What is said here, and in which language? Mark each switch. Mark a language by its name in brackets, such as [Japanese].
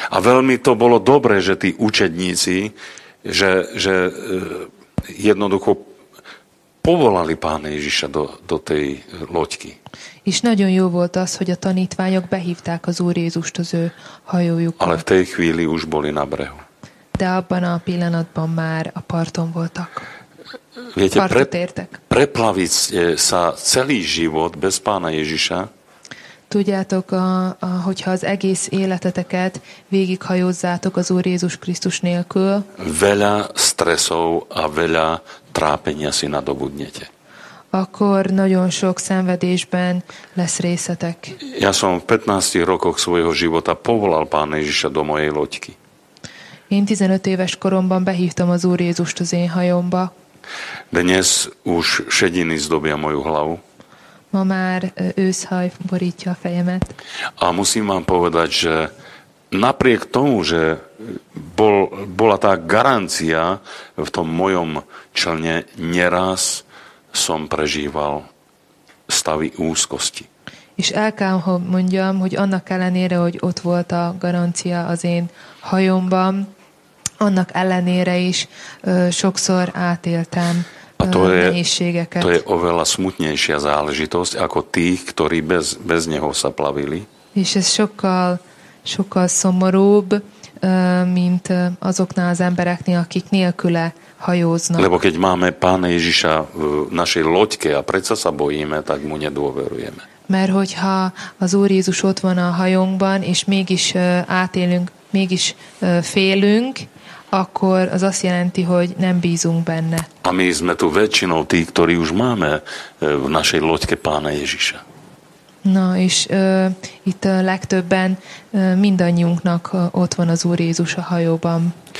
[Slovak] A veľmi to bolo dobré, že tí učedníci, že jednoducho povolali Pána Ježiša do tej loďky. [Hungarian] És nagyon jó volt az, hogy a tanítványok behívták az Úr Jézust az ő hajójukra. [Slovak] Ale v tej chvíli už boli na brehu. [Hungarian] De abban a pillanatban már a parton voltak. [Slovak] Viete, [Hungarian] partot értek. [Slovak] Preplaviť sa celý život bez Pána Ježiša. [Hungarian] Tudjátok, hogyha az egész életeteket végighajózzátok az Úr Jézus Krisztus nélkül. [Slovak] Veľa stresov a veľa trápenia si nadobudnete. [Hungarian] Akkor nagyon sok szenvedésben lesz részetek. [Slovak] Ja som v 15 rokoch svojho života povolal Pána Ježiša do mojej loďky. [Hungarian] Én 15 éves koromban behívtam az Úr Jézust az én hajomba. [Slovak] Dnes už šediny zdobia moju hlavu. [Hungarian] Ma már őszhaj borítja a fejemet. [Slovak] A musím vám povedať, že napriek tomu, že bola tá garancia v tom mojom člne, neraz som prežíval stavy úzkosti. [Hungarian] És el kell, hogy mondjam, hogy annak ellenére, hogy ott volt a garancia az én hajomban, annak ellenére is sokszor átéltem. [Slovak] A to je oveľa smutnejšia záležitosť ako tých, ktorí bez neho sa plavili. [Hungarian] És ez sokkal szomorúbb, mint azoknál az embereknél, akik nélküle hajóznak. [Slovak] Lebo keď máme Pána Ježiša v našej loďke a predsa sa bojíme, tak mu nedôverujeme. [Hungarian] Mert hogyha az Úr Jézus ott van a hajónkban, és mégis átélünk, mégis félünk, akkor az azt jelenti, hogy nem bízunk benne. [Slovak] A my sme tu väčšinou tí, ktorí už máme v našej loďke Pána Ježiša. [Hungarian] No, és itt a legtöbben mindannyiunknak ott van az Úr Jézus a hajóban.